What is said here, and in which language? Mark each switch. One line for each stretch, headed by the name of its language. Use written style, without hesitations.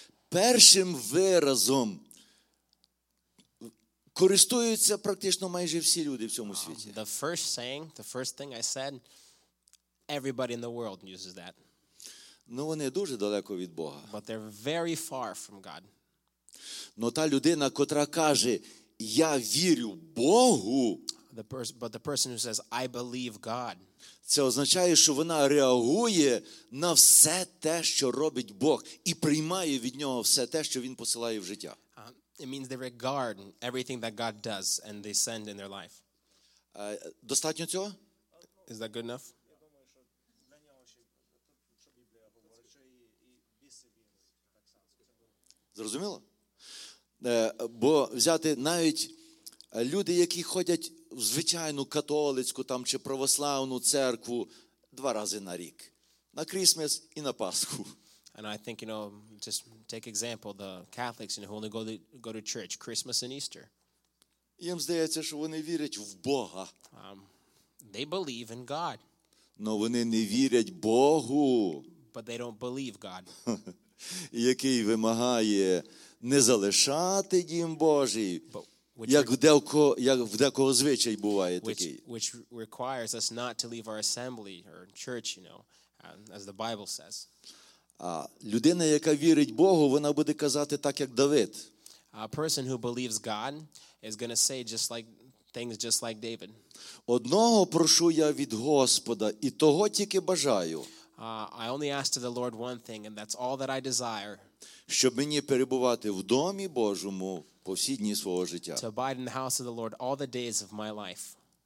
Ukrainian: Першим виразом користуються практично майже всі люди в цьому світі.
English: The first saying, the first thing I said, everybody in the world uses that.
Ukrainian: Ну, вони дуже далеко від Бога.
English: But they're very far from God.
Ukrainian: Но та людина, котра каже, я вірю Богу,
English: but the person who says, I believe God.
Ukrainian: Це означає, що вона реагує на все те, що робить Бог, і приймає від нього все те, що він посилає в життя.
English: It means they regard everything that God does and they send in their life.
Ukrainian: Достатньо цього?
English: Is that good enough?
Ukrainian: Зрозуміло? Бо взяти навіть люди, які ходять в звичайну католицьку там чи православну церкву два рази на рік. На Крисмас і на Пасху.
English: And I think, you know, just take example, the Catholics, you know, who only go to church Christmas and Easter.
Ukrainian: Їм здається, що вони вірять в Бога.
English: They believe in God.
Ukrainian: Но вони не вірять Богу.
English: But they don't believe God.
Ukrainian: Який вимагає не залишати дім Божий, як в декого звичай буває такий.
English: Which requires us not to leave our assembly or church, you know, as the Bible says.
Ukrainian: А людина, яка вірить Богу, вона буде казати так, як Давид.
English: A person who believes God is going to say just like things just like David.
Ukrainian: Одного прошу я від Господа, і того тільки бажаю.
English: I only ask to the Lord one thing, and that's all that I desire.
Ukrainian: Щоб мені перебувати в домі Божому по всі дні свого життя.
English: To abide in the house of the Lord all the days of my life.